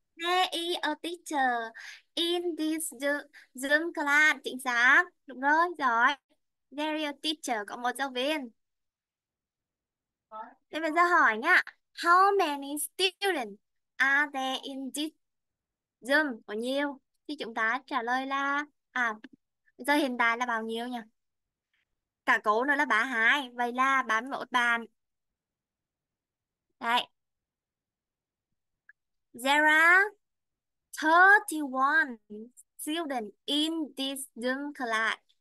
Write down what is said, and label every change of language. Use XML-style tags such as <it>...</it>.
<en>There is a teacher in this gym class.</en> <vi>Chính xác. Đúng rồi. Giỏi. There is a teacher, có một giáo viên. Thế bây giờ hỏi nhá.</vi> <en>How many students are there in this gym?</en> <vi>Có nhiêu? Thì chúng ta trả lời là bây giờ hiện tại là bao nhiêu nhỉ? Cả cố nữa là 32, vậy là 31 bàn. Đấy.</vi> <en>There are 31 students in this gym class.</en>